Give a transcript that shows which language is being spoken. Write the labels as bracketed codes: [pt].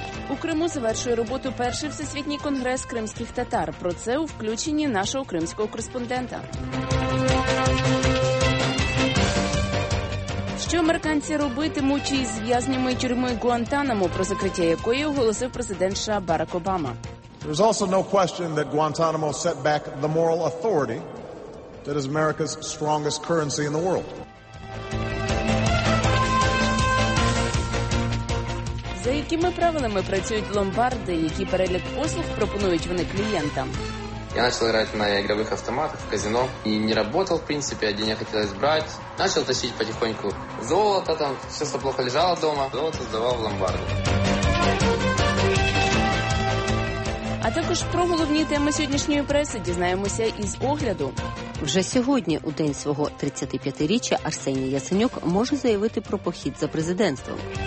[uk] У Криму завершує роботу перший всесвітній конгрес кримських татар. Про це у включенні нашого кримського кореспондента. Що американці робитимуть із в'язнями тюрми Гуантанамо, про закриття якої оголосив президент США Барак Обама. [en] There's also no question that Guantanamo set back the moral authority that is America's strongest currency in the world. [uk] За якими правилами працюють ломбарди, які перелік послуг пропонують вони клієнтам? [ru] Я начал играть на игровых автоматах в казино и не работал, в принципе, а денег хотелось брать. Начал тащить потихоньку золото, там все, что плохо лежало дома, золото сдавал в ломбарды. [uk] А також про головні теми сьогоднішньої преси дізнаємося із огляду. Вже сьогодні, у день свого 35-річчя, Арсеній Яценюк може заявити про похід за президентством.